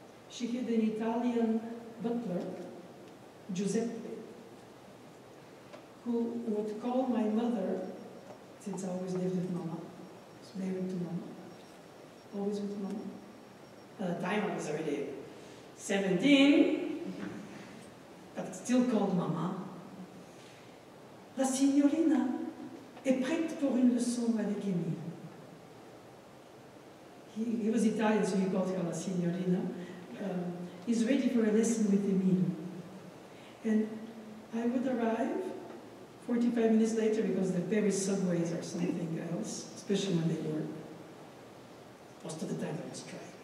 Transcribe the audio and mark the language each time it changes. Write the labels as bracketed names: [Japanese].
[English] She had an Italian butler, Giuseppe, who would call my mother, since I always lived with Mama, was married to Mama, always with Mama. By the time I was already 17, but still called Mama. [French] La signorina est prête pour une leçon avec me. [English] He was Italian, so he called her La signorina. He's ready for a lesson with Emile. And I would arrive 45 minutes later because the very subways are something else, especially when they work. Most of the time they're on strike.